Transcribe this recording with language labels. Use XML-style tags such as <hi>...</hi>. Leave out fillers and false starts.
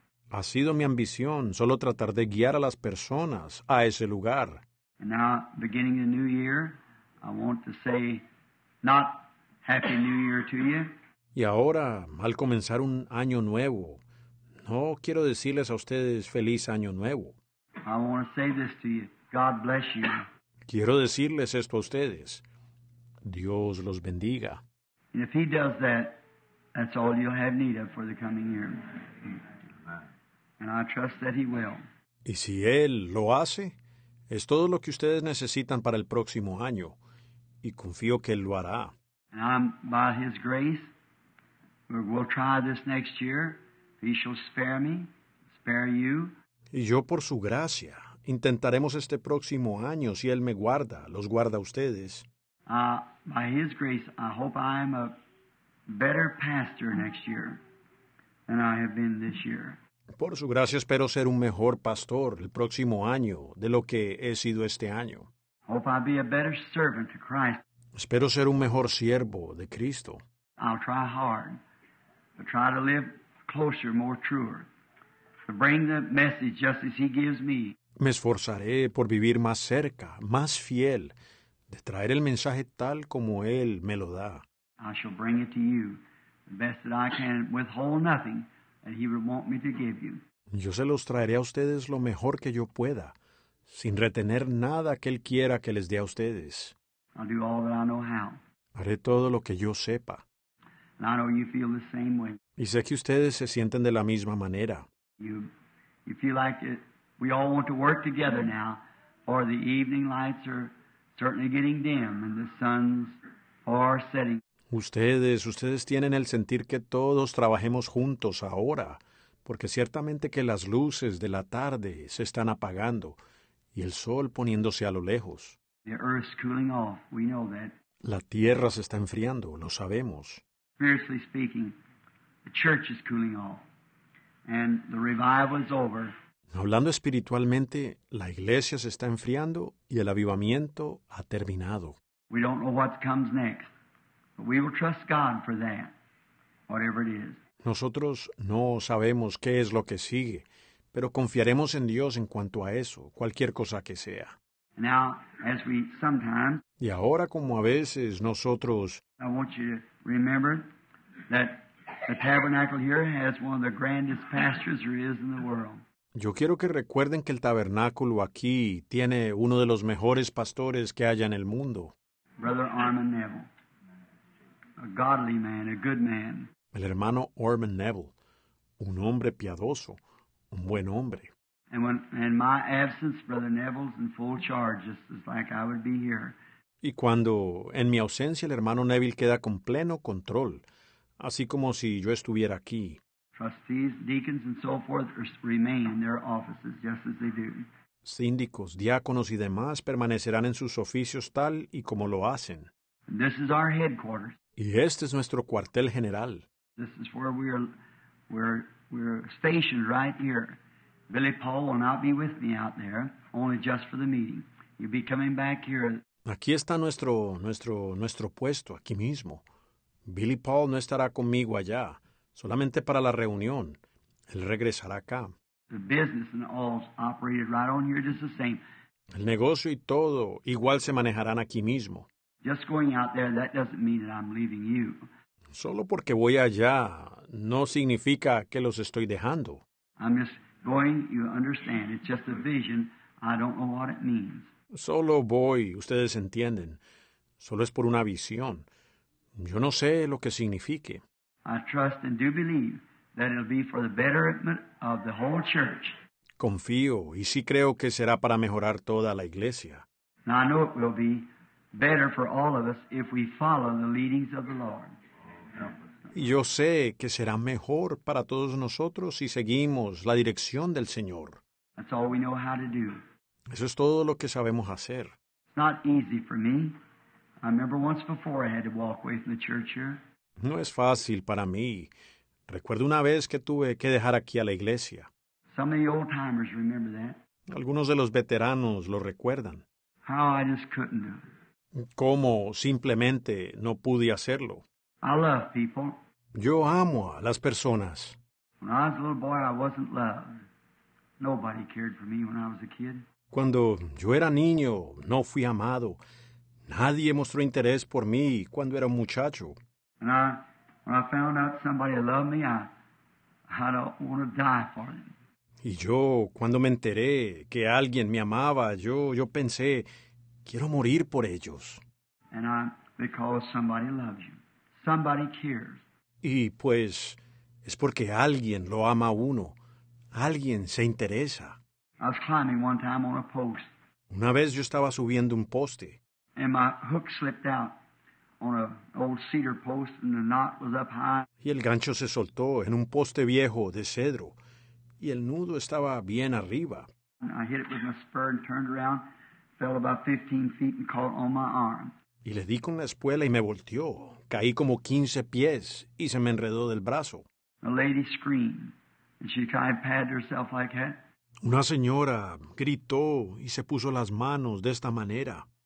<es>Ha sido mi ambición solo tratar de guiar a las personas a ese lugar.</es> <en>And now, beginning the new year, I want to say not happy new year to you.</en> <es>Y ahora, al comenzar un año nuevo, no quiero decirles a ustedes feliz año nuevo.</es> <en>I want to say this to you. God bless you.</en> <es>Quiero decirles esto a ustedes. Dios los bendiga.</es> <en>And if he does that, that's all you'll have need of for the coming year. And I trust that he will.</en> <es>Y si él lo hace, es todo lo que ustedes necesitan para el próximo año. Y confío que él lo hará.</es> <en>And I'm by his grace. We'll try this next year. He shall spare me, spare you.</en> <es>Y yo por su gracia. Intentaremos este próximo año si Él me guarda, los guarda a ustedes.</es> <en>By His grace, I hope I am a better pastor next year than I have been this year.</en> <es>Por su gracia, espero ser un mejor pastor el próximo año de lo que he sido este año.</es> <en>Hope I'll be a better servant to Christ.</en> <es>Espero ser un mejor siervo de Cristo.</es> <en>I'll try hard, but try to live closer, more truer, to bring the message just as He gives me.</en> <es>Me esforzaré por vivir más cerca, más fiel, de traer el mensaje tal como Él me lo da.</es> <en>I shall bring it to you the best that I can, withhold nothing that He would want me to give you.</en> <es>Yo se los traeré a ustedes lo mejor que yo pueda, sin retener nada que Él quiera que les dé a ustedes.</es> <en>I'll do all that I know how.</en> <es>Haré todo lo que yo sepa.</es> <en>And I know you feel the same way.</en> <es>Y sé que ustedes se sienten de la misma manera.</es> <en>You feel like it. We all want to work together now, for the evening lights are certainly getting dim and the sun's far setting.</en> <es>Ustedes tienen el sentir que todos trabajemos juntos ahora, porque ciertamente que las luces de la tarde se están apagando y el sol poniéndose a lo lejos.</es> <en>The earth's cooling off, we know that.</en> <es>La tierra se está enfriando, lo sabemos.</es> <en>Spiritually speaking, the church is cooling off and the revival is over.</en> <es>Hablando espiritualmente, la iglesia se está enfriando y el avivamiento ha terminado.</es> <en>We don't know what comes next, but we will trust God for that, whatever it is.</en> <es>Nosotros no sabemos qué es lo que sigue, pero confiaremos en Dios en cuanto a eso, cualquier cosa que sea.</es> <en>Now, as we sometimes,</en> <es>y ahora como a veces nosotros,</es> <en>I want you to remember that the tabernacle here has one of the grandest pastures there is in the world.</en> <es>Yo quiero que recuerden que el tabernáculo aquí tiene uno de los mejores pastores que haya en el mundo.</es> <en>Brother Armand Neville, a godly man, a good man.</en> <es>El hermano Armand Neville, un hombre piadoso, un buen hombre.</es> <en>And in my absence, Brother Neville's in full charge, just like I would be here.</en> <es>Y cuando, en mi ausencia, el hermano Neville queda con pleno control, así como si yo estuviera aquí.</es> <en>Trustees, deacons, and so forth remain in their offices just as they do.</en> <es>Síndicos, diáconos y demás permanecerán en sus oficios tal y como lo hacen.</es> <en>And this is our headquarters.</en> <es>Y este es nuestro cuartel general.</es> <en>This is where we're stationed right here. Billy Paul will not be with me out there, only just for the meeting. He'll be coming back here.</en> <es>Aquí está nuestro puesto, aquí mismo. Billy Paul no estará conmigo allá, solamente para la reunión. Él regresará acá.</es> <en>The business and all's operated right on here just the same.</en> <es>El negocio y todo igual se manejarán aquí mismo.</es> <en>Just going out there, that doesn't mean that I'm leaving you.</en> <es>Solo porque voy allá no significa que los estoy dejando.</es> <en>I'm just going, you understand, it's just a vision. I don't know what it means.</en> <es>Solo voy, ustedes entienden. Solo es por una visión. Yo no sé lo que signifique.</es> <en>I trust and do believe that it'll be for the betterment of the whole church.</en> <es>Confío y sí creo que será para mejorar toda la iglesia.</es> <en>Now I know it will be better for all of us if we follow the leadings of the Lord.</en> <es>Y yo sé que será mejor para todos nosotros si seguimos la dirección del Señor.</es> <en>That's all we know how to do.</en> <es>Eso es todo lo que sabemos hacer.</es> <en>It's not easy for me. I remember once before I had to walk away from the church here.</en> <es>No es fácil para mí. Recuerdo una vez que tuve que dejar aquí a la iglesia.</es> <en>Some of the old timers remember that.</en> <es>Algunos de los veteranos lo recuerdan.</es> <en>How I just couldn't do it.</en> <es>Cómo simplemente no pude hacerlo.</es> <en>I love people.</en> <es>Yo amo a las personas.</es> <en>When I was a little boy, I wasn't loved. Nobody cared for me when I was a kid.</en> <es>Cuando yo era niño, no fui amado. Nadie mostró interés por mí cuando era un muchacho.</es> <en>When I found out somebody loved me, I don't want to die for them.</en> <es>Y yo, cuando me enteré que alguien me amaba, yo pensé, quiero morir por ellos.</es> <en>And I, because somebody loves you. Somebody cares.</en> <es>Y pues, es porque alguien lo ama a uno. Alguien se interesa.</es> <en>I was climbing one time on a post.</en> <es>Una vez yo estaba subiendo un poste.</es> <en>And my hook slipped out on an old cedar post, and the knot was up high.</en> <es>Y el gancho se soltó en un poste viejo de cedro, y el nudo estaba bien arriba.</es> <en>And I hit it with my spur and turned around, fell about 15 feet and caught on my arm.</en> <es>Y le di con la espuela y me volteó. Caí como 15 pies y se me enredó del brazo.</es> <en>A lady screamed, and she kind of patted herself like that.</en> <es>Una señora gritó y se puso las manos de esta manera.</es>